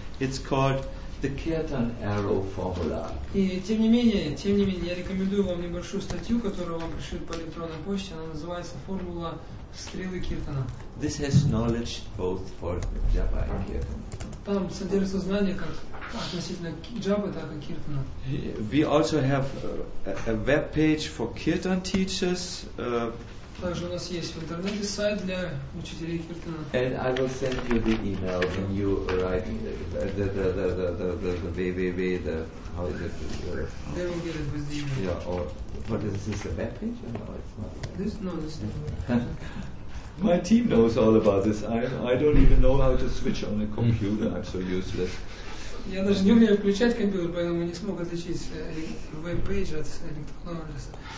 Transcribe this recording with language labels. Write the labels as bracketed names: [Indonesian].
[English] It's called the Kirtan Arrow Formula. [Russian] И тем не менее, я рекомендую вам небольшую статью, которую вам пришлют по электронной почте. Она называется «Формула стрелы Киртана». [English] This has knowledge both for Japa and Kirtan. [Russian] Там содержится знание как относительно Japa, так и Киртана. [English] We also have a web page for Kirtan teachers. [Russian] Также у нас есть в интернете сайт для учителей Киртана. [English] And I will send you the email when you write the how is it? They will get it with the email. Yeah. Or what is this, a web page or no? It's not. This no, this is. My team knows all about this. I don't even know how to switch on a computer. I'm so useless. [Russian] Я даже не умею включать компьютер, поэтому не смог отличить веб пейдж от электронного адреса.